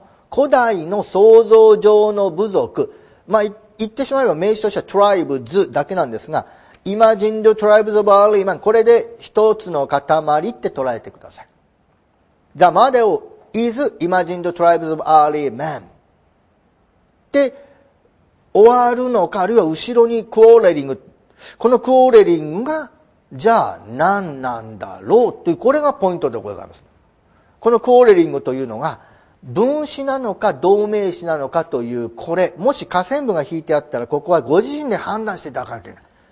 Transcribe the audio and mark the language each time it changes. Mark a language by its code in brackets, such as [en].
[ja] 古代の想像上の部族、まあ言ってしまえば名詞としてはトライブズだけなんですが、イマジンドトライブズオブアーリーマン、これで一つの塊って捉えてください。 [en] The model is imagined tribes of early men. [ja] で、終わるのか、あるいは後ろにクオーレリング。このクオーレリングが、じゃあ何なんだろうという、これがポイントでございます。このクオーレリングというのが、分子なのか同名詞なのかという、これ、もし下線部が引いてあったら、ここはご自身で判断していただかなきゃいけない。